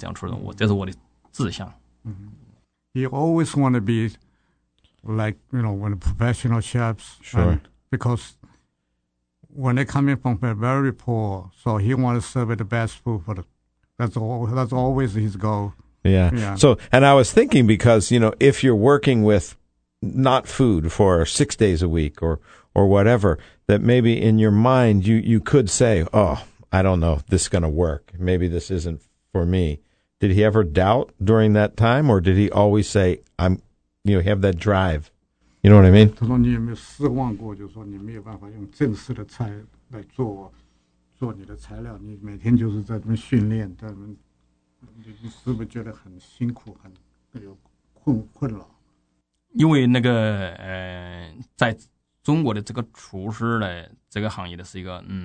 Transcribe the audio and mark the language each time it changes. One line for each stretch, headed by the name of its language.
Chinese: 就说你会变成一个很成功的人，在厨子。随着我对那个专业的了解的越多呢，那么我当时呢，我就在给自己那个立的志向，就是一定要做一个非常技术很高超的，同时也是在全国应该是也有名气的这样厨师。我这是我的志向。
English: He always want to be like, you know, one of the professional chefs. Sure. Because when they come in from very poor, so he want to serve the best food for the, that's always his goal. Yeah. So, and I was thinking because, you know, if you're working with not food for 6 days a week or whatever, that maybe in your mind you could say, oh, I don't know if this is going to work. Maybe this isn't for me. Did he ever doubt during that time, or did he always say, I'm, you know, have that drive? You know what I mean?
Chinese: 他说你有没有失望过，就是说你没有办法用正式的材料来做，做你的材料，你每天就是在这边训练，你是不是觉得很辛苦，很困扰？因为那个在中国的这个厨师呢，这个行业的是一个